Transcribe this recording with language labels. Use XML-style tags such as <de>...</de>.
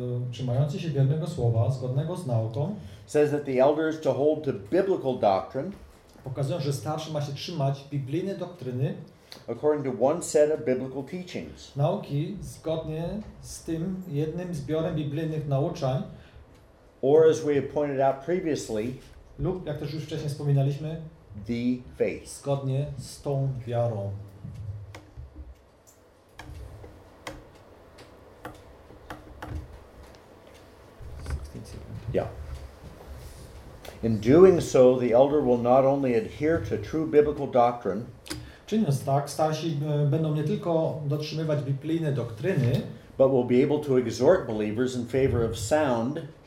<pl>Trzymający się wiernego słowa, zgodnego z nauką.</pl> <en>Says that the elders to hold to biblical doctrine.</en> <pl>Pokazują, że starszy ma się trzymać biblijnej doktryny.</pl> <en>According to one set of biblical teachings.</en> <pl>Nauki zgodnie z tym jednym zbiorem biblijnych nauczań.</pl> <en>Or as we have pointed out previously,</en> <pl>lub jak też już wcześniej wspominaliśmy,</pl> <en>the faith.</en> <pl>Zgodnie z tą wiarą.</pl> <en>Yeah. In doing so, the elder will not only adhere to true biblical doctrine,</en> <pl>czyniąc tak, starsi będą nie tylko dotrzymywać biblijne doktryny,</pl> <en>but will be able to exhort believers in favor of sound.</en>